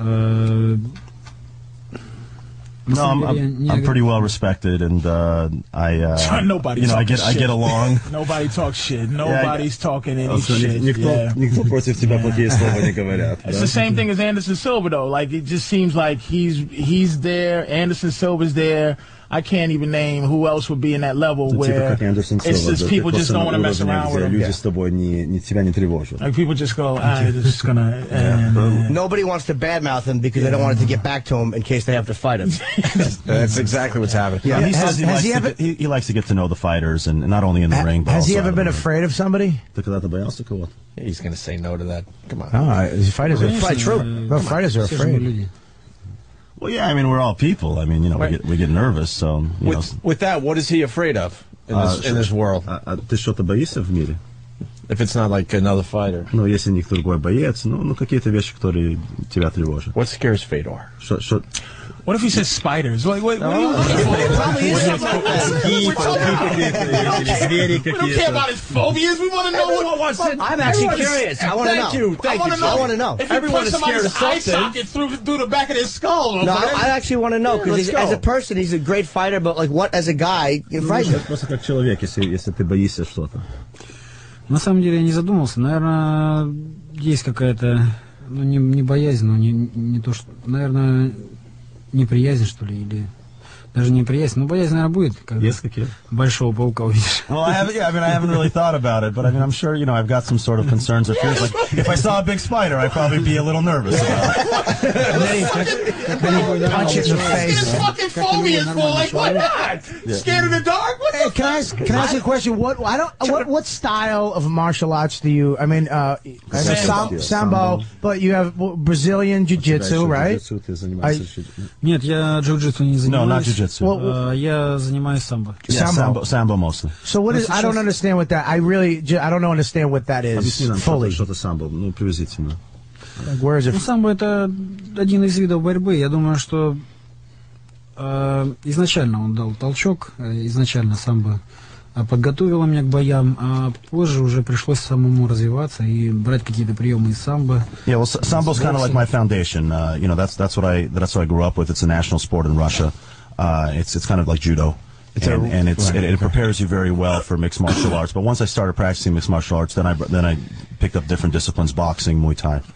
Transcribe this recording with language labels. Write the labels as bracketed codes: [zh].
[en] No, I'm pretty well respected, and nobody's talking shit. I get along. Nobody talks shit. Nobody's talking any shit. [ru] Никто против тебя плохие слова не говорят. [en] It's the same thing as Anderson Silva, though. Like, it just seems like he's there. Anderson Silva's there. I can't even name who else would be in that level where it's just people just don't want to mess around with him. Yeah. Like people just go, I'm just going to... Nobody wants to badmouth him because they don't want it to get back to him in case they have to fight him. That's exactly what's happening. Yeah. He says he likes to get to know the fighters, and not only in the ring. But has he ever been afraid of somebody? He's going to say no to that. Come on. Fighters are afraid. Fighters are afraid. Well, yeah, I mean, we're all people. I mean, you know, right. we get nervous, so... With that, what is he afraid of in this world? [ru] Ты что-то боишься в мире? [en] If it's not, like, another fighter. [ru] Ну, если не другой боец, ну какие-то вещи, которые тебя тревожат. [en] What scares Fedor? What if he says spiders? What are you looking for? Probably is something. We don't care about his phobias. We want to know what. I'm actually curious. I want to know. Thank you. Thank you. I want to know. Everyone is scared of something. If you put somebody's eye socket through the back of his skull. Okay? No, I actually want to know because as a person, he's a great fighter. But like, what as a guy, you're frightened. [ru] Просто как человек, если ты боишься что-то. На самом деле, я не задумывался. Наверное, есть какая-то, ну не боязнь, но не то что, наверное. Неприязнь, что ли, или даже неприязнь, но боязнь, наверное, будет, когда большого паука увидишь. [en] Well, I haven't really thought about it, but I mean, I'm sure, you know, I've got some sort of concerns or fears. Like, if I saw a big spider, I'd probably be a little nervous. Then he punches in the face. Man. Fucking phobias, boy. Like, why not? Yeah. Scared of the dark? What the can I ask you a question? What style of martial arts do you? I mean, sambo, but you have Brazilian jiu-jitsu, right? [ru] Нет, я джиу-джитсу не занимаюсь. [en] No, not jiu-jitsu. [ru] Well, я занимаюсь самбо. [en] Yeah, самбо mostly. So what is? I don't understand what that. I don't understand what that is fully. [ru] Что-то самбо, ну приблизительно. [en] Where is it? [ru] Самбо это один из видов борьбы. Я думаю, что изначально он дал толчок. Изначально самбо подготовило меня к боям, а позже уже пришлось самому развиваться и брать какие-то приемы из самбо. [en] Yeah, well, самбо is kind of like my foundation. You know, that's what I grew up with. It's a national sport in Russia. It's kind of like judo. It prepares you very well for mixed martial arts. But once I started practicing mixed martial arts, then I picked up different disciplines: boxing, Muay Thai.